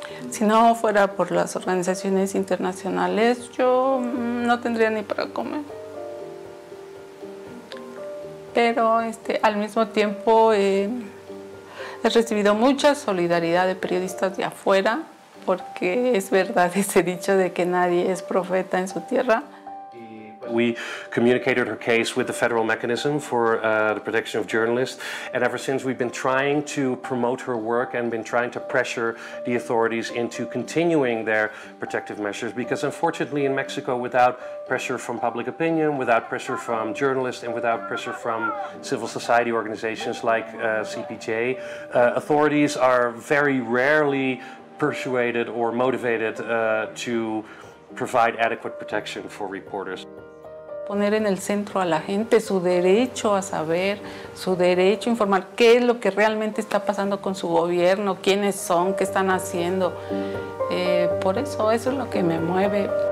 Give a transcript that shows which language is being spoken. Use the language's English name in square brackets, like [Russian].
[Spanish] Si no fuera por las organizaciones internacionales, yo no tendría ni para comer. Pero al mismo tiempo he recibido mucha solidaridad de periodistas de afuera, porque es verdad ese dicho de que nadie es profeta en su tierra. [English] We communicated her case with the federal mechanism for the protection of journalists, and ever since we've been trying to promote her work and been trying to pressure the authorities into continuing their protective measures, because unfortunately in Mexico, without pressure from public opinion, without pressure from journalists, and without pressure from civil society organizations like CPJ, authorities are very rarely persuaded or motivated to provide adequate protection for reporters. [Spanish] Poner en el centro a la gente su derecho a saber, su derecho a informar qué es lo que realmente está pasando con su gobierno, quiénes son, qué están haciendo. Por eso es lo que me mueve.